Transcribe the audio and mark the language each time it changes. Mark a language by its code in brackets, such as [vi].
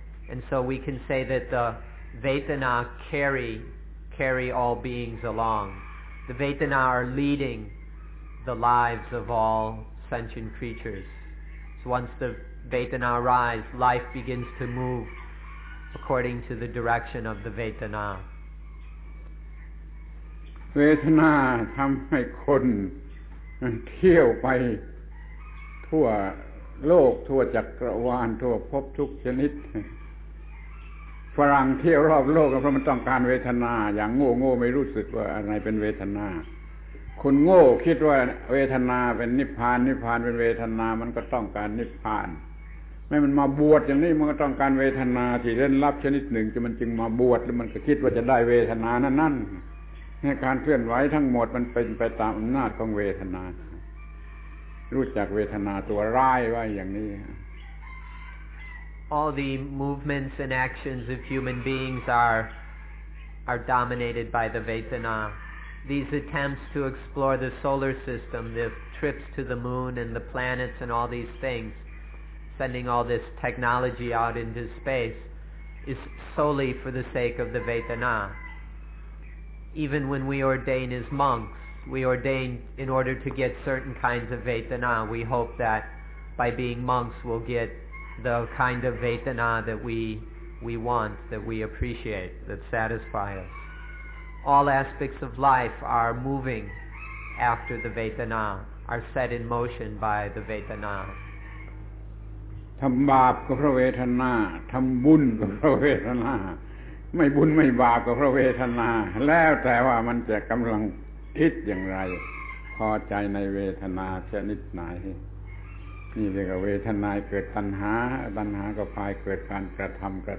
[en] And so we can say that the Vedana carry all beings along. The Vedana are leading the lives of all sentient creatures. So once the Vedana arise, life begins to move according to the direction of the Vedana. [th] Vedana ทำให้คนเที่ยวไปทั่วโลกทั่วจักรวาลทั่วภพทุกชนิดฝรั่งเที่ยวรอบโลกเพราะมันต้องการเวทนาอย่างโง่ไม่รู้สึกว่าอะไรเป็นเวทนา คนโง่คิดว่าเวทนาเป็นนิพพานนิพพานเป็นเวทนามันก็ต้องการนิพพานแม้มันมาบวชอย่างนี้มันก็ต้องการเวทนาที่ลึกลับชนิดหนึ่งที่มันจึงมาบวชแล้วมันก็คิดว่าจะได้เวทนานั้นนั่นในการเคลื่อนไหวทั้งหมดมันเป็นไปตามอำนาจของเวทนารู้จักเวทนาตัวร้ายไว้อย่างนี้ [en] All the movements and actions of human beings are dominated by the Vedana. These attempts to explore the solar system, the trips to the moon and the planets and all these things, sending all this technology out into space, is solely for the sake of the Vedana. Even when we ordain as monks, we ordain in order to get certain kinds of Vedana. We hope that by being monks we'll get the kind of Vedana that we want, that we appreciate, that satisfy us. All aspects of life are moving after the Vedana, are set in motion by the Vedana. [th] ทำบาปก็เพราะเวทนาทำบุญก็เพราะเวทนาไม่บุญไม่บาปก็เพราะเวทนาแล้วแต่ว่ามันจะกำลังคิดอย่างไรพอใจในเวทนาชนิดไหนนี่เรียกว่าเวทนาเกิดตัณหาตัณหาก็พายเกิดการกระทำ